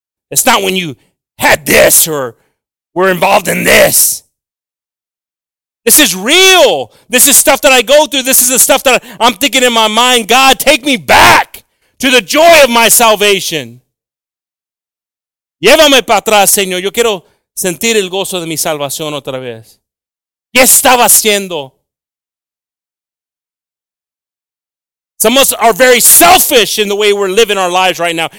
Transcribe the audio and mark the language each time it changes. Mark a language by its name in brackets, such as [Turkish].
[English] It's not when you had this or were involved in this. This is real. This is stuff that I go through. This is the stuff that I'm thinking in my mind. God, take me back to the joy of my salvation. [Spanish] Llévame para atrás, Señor. Yo quiero sentir el gozo de mi salvación otra vez. ¿Qué estaba haciendo? [English] Some of us are very selfish in the way we're living our lives right now.